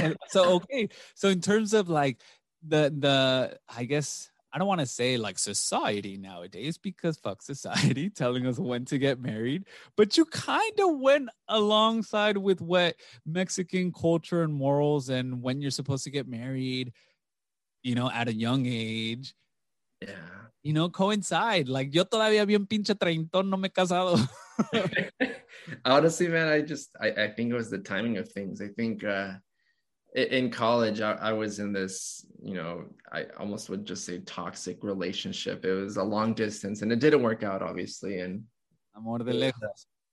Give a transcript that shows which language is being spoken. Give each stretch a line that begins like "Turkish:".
English: So in terms of like the I guess, I don't want to say like society nowadays, because fuck society telling us when to get married, but you kind of went alongside with what Mexican culture and morals and when you're supposed to get married, you know, at a young age. Yeah. You know, coincide.
Spanish: Like, yo todavía bien pinche treintón, no me he casado.
English: Honestly, man, I think it was the timing of things. I think in college, I was in this, you know, I almost would just say toxic relationship. It was a long distance and it didn't work out, obviously. And
Spanish: amor de lejos.